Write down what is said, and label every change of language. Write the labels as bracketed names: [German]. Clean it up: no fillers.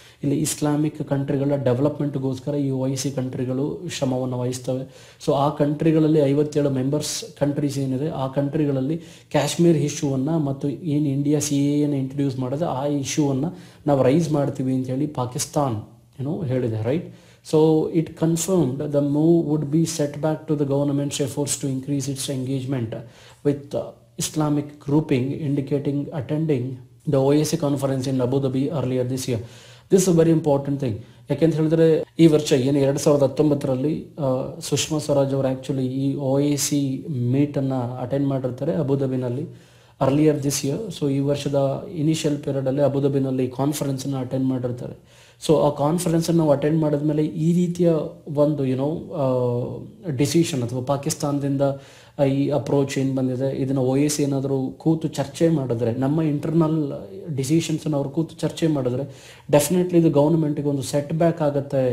[Kannada] ಇಲ್ಲಿ ಇಸ್ಲಾಮಿಕ್ ಕಂಟ್ರಿಗಳ ಡೆವಲಪ್ಮೆಂಟ್ಗೋಸ್ಕರ ಈ ಓ A C ಕಂಟ್ರಿಗಳು ಶ್ರಮವನ್ನು ವಹಿಸ್ತವೆ. ಸೊ ಆ ಕಂಟ್ರಿಗಳಲ್ಲಿ 57 ಮೆಂಬರ್ಸ್ ಕಂಟ್ರೀಸ್ ಏನಿದೆ ಆ ಕಂಟ್ರಿಗಳಲ್ಲಿ ಕಾಶ್ಮೀರ್ ಇಶ್ಯೂವನ್ನು ಮತ್ತು ಏನು ಇಂಡಿಯಾ ಸಿ ಎನ್ನು ಇಂಟ್ರೊಡ್ಯೂಸ್ ಮಾಡೋದು ಆ ಇಶ್ಯೂವನ್ನು ನಾವು ರೈಸ್ ಮಾಡ್ತೀವಿ ಅಂತೇಳಿ ಪಾಕಿಸ್ತಾನ್ ಏನು ಹೇಳಿದೆ right. [English] So it confirmed the move would be set back to the government's efforts to increase its engagement with Islamic grouping, indicating attending the OAC conference in Abu Dhabi earlier this year. This is a very important thing. [Kannada] ಯಾಕೆಂತ ಹೇಳಿದ್ರೆ ಈ ವರ್ಷ ಏನು 2019ರಲ್ಲಿ ಸುಷ್ಮಾ ಸ್ವರಾಜ್ ಅವರು actually ಈ OAC meet ಅನ್ನು attend ಮಾಡಿರ್ತಾರೆ ಅಬುಧಾಬಿನಲ್ಲಿ [English] Earlier this year. [Kannada] So ಈ ವರ್ಷದ ಇನಿಷಿಯಲ್ ಪೀರಿಯಡಲ್ಲಿ ಅಬುಧಾಬಿನಲ್ಲಿ ಕಾನ್ಫರೆನ್ಸನ್ನು ಅಟೆಂಡ್ ಮಾಡಿರ್ತಾರೆ. ಸೊ ಆ ಕಾನ್ಫರೆನ್ಸನ್ನು ನಾವು ಅಟೆಂಡ್ ಮಾಡಿದ್ಮೇಲೆ ಈ ರೀತಿಯ ಒಂದು ಯುನೋ ಡಿಸಿಷನ್ ಅಥವಾ ಪಾಕಿಸ್ತಾನದಿಂದ ಈ ಅಪ್ರೋಚ್ ಏನು ಬಂದಿದೆ ಇದನ್ನು ಓ ಎ ಸಿ ಏನಾದರೂ ಕೂತು ಚರ್ಚೆ ಮಾಡಿದ್ರೆ ನಮ್ಮ ಇಂಟರ್ನಲ್ ಡಿಸಿಷನ್ಸನ್ನು ಅವ್ರು ಕೂತು ಚರ್ಚೆ ಮಾಡಿದ್ರೆ ಡೆಫಿನೆಟ್ಲಿ ಇದು ಗೌರ್ಮೆಂಟ್ಗೆ ಒಂದು ಸೆಟ್ ಬ್ಯಾಕ್ ಆಗುತ್ತೆ.